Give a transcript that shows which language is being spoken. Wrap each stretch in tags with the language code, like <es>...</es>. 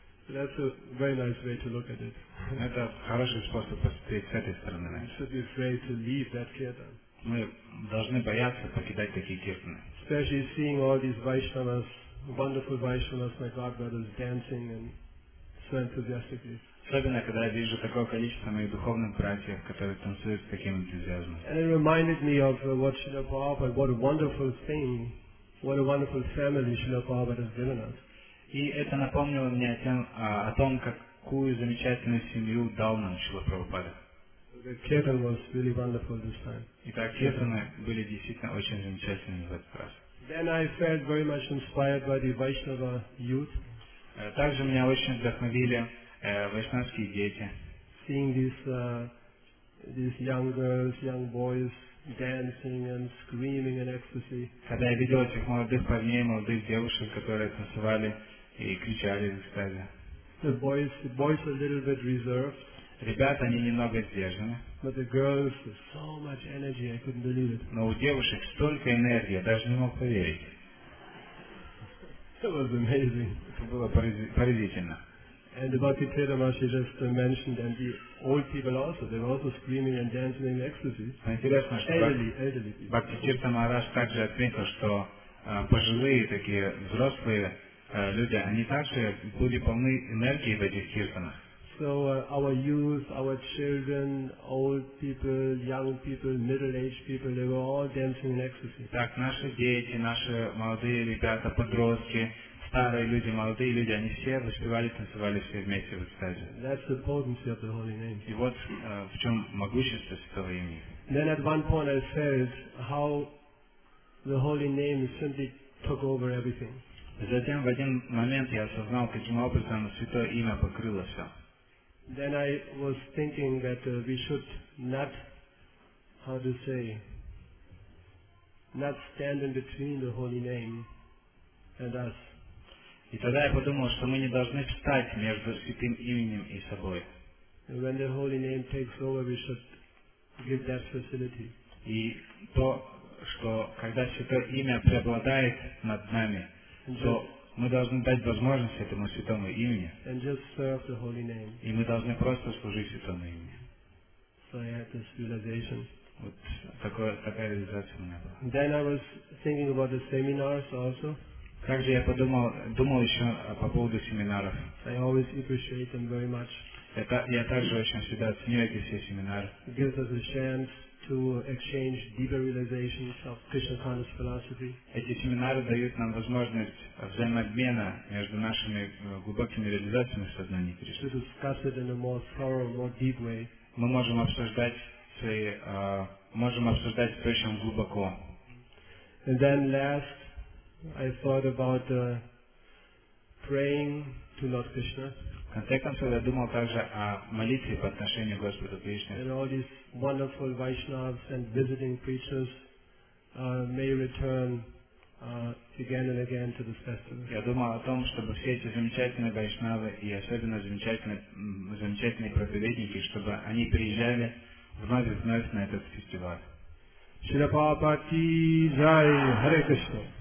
<en>That's a very nice way to look at it.</en> <ru>Это хороший способ посмотреть с этой стороны.</ru> <en>You should be afraid to leave that kirtan.</en> <ru>Мы должны бояться покидать такие киртаны.</ru> <en>Especially seeing all these Vaishnavas, wonderful Vaishnavas, my God brothers, dancing and so enthusiastically.</en> <ru>Особенно когда я вижу такое количество моих духовных братьев, которые танцуют с таким энтузиазмом.</ru> <en>And it reminded me of what Srila Prabhupada, what a wonderful thing, what a wonderful family Srila Prabhupada has given us.</en> <ru>И это напомнило мне о том, какую замечательную семью дал нам Шрила Прабхупада.</ru> <en>The kirtan was really wonderful this time.</en> <ru>Итак, киртаны были действительно очень замечательными в этот раз.</ru> <en>Then I felt very much inspired by the Vaishnava youth.</en> <ru>Также меня очень вдохновили вайшнавские дети.</ru> <en>Seeing these young girls, young boys dancing and screaming in ecstasy.</en> <ru>Когда я видел этих молодых парней, молодых девушек, которые танцевали и кричали в экстазе.</ru> <en>The boys a little bit reserved.</en> <ru>Ребята, они немного сдержаны.</ru> <en>But the girls with so much energy, I couldn't believe it.</en> <ru>Но у девушек столько энергии, я даже не мог поверить.</ru> <en>It was amazing.</en> <ru>Это было поразительно.</ru> <en>And the Bhakti Tetamashi just mentioned, and the old people also, they were also screaming and dancing in ecstasy.</en> <ru>Интересно, что</ru> <en>elderly people.</en> <ru>Бхакти Тирта Махарадж также отметил, что пожилые такие взрослые люди, они также были полны энергии в этих киртанах.</ru> <en>So our youth, our children, old people, young people, middle-aged people, they were all dancing in ecstasy.</en> <ru>Так, наши дети, наши молодые ребята, подростки, старые люди, молодые люди, они все воспевали, танцевали все вместе в экстазе.</ru> <en>That's the potency of the holy name.</en> <ru>И вот в чем могущество святого имени.</ru> <en>Then at one point I felt how the holy name simply took over everything.</en> <ru>Затем в один момент я осознал, каким образом святое имя покрыло все.</ru> <en>Then I was thinking that we should not stand in between the holy name and us.</en> <ru>И тогда я подумал, что мы не должны встать между святым именем и собой.</ru> <en>And when the holy name takes over, we should give that facility.</en> <ru>И то, что когда Святое Имя преобладает над нами, то мы должны дать возможность этому Святому Имени.</ru> <en>And just serve the Holy Name.</en> <ru>И мы должны просто служить Святому Имени.</ru> <en>So I had this realization.</en> <ru>Вот такая реализация у меня была.</ru> <en>Then I was thinking about the seminars also.</en> <ru>Также я думал еще по поводу семинаров.</ru> <en>I always appreciate them very much.</en> <ru>Я также очень всегда ценю эти все семинары.</ru> <en>It gives us a chance to exchange deeper realizations of Krishna consciousness philosophy.</en> <ru>Эти семинары дают нам возможность взаимообмена между нашими глубокими реализациями сознания Кришны.</ru> <en>To discuss it in a more thorough, more deep way.</en> <ru>Мы можем обсуждать проще глубоко.</ru> <en>And then last, I thought about praying to Lord Krishna.</en> <ru>В конце концов, я думал также о молитве по отношению к Господу Кришне.</ru> <en>And all these wonderful Vaishnavas and visiting preachers may return again and again to this festival.</en> <ru>Я думал о том, чтобы все эти замечательные Вайшнавы и особенно замечательные проповедники, чтобы они приезжали вновь и вновь на этот фестиваль. Шрила Прабхупада ки джай, Харе Кришна.</ru>